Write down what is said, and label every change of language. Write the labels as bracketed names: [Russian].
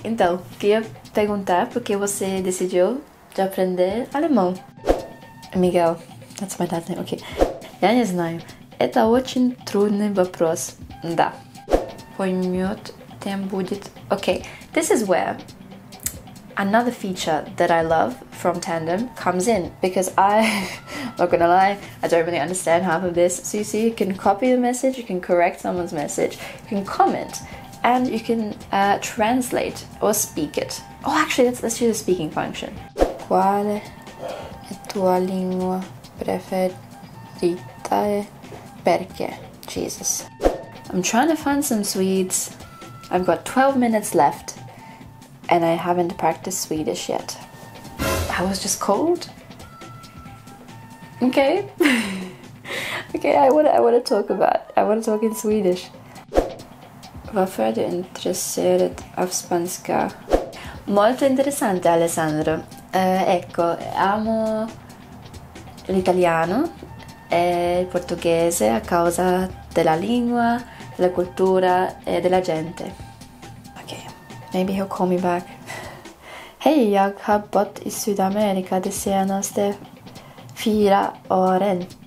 [Portuguese] Então, queria perguntar por que você decidiu de aprender alemão. [English] Miguel, that's my dad's name, ok. [Russian] Я не знаю. Это очень трудный вопрос. Да. Поймёт, тем будет... [English] Ok, this is where another feature that I love from TANDEM comes in, because I... Not gonna lie, I don't really understand half of this. So you see, you can copy the message, you can correct someone's message, you can comment, and you can translate or speak it. Oh, actually, let's do the speaking function. [Italian] Quale è tua lingua preferita e perché? Jesus. [English] I'm trying to find some Swedes. I've got 12 minutes left, and I haven't practiced Swedish yet. I was just cold. Okay. Okay, I want to talk about. I want to talk in Swedish. [Swedish] Varför är du intresserad av spanska? [Italian] Molto interessante, Alessandro. Ecco, amo l'italiano e il portoghese a causa della lingua, della cultura e della gente. [English] Okay. Maybe he'll call me back. [Swedish] Hey, jag har bott I Sydamerika de senaste 4 åren.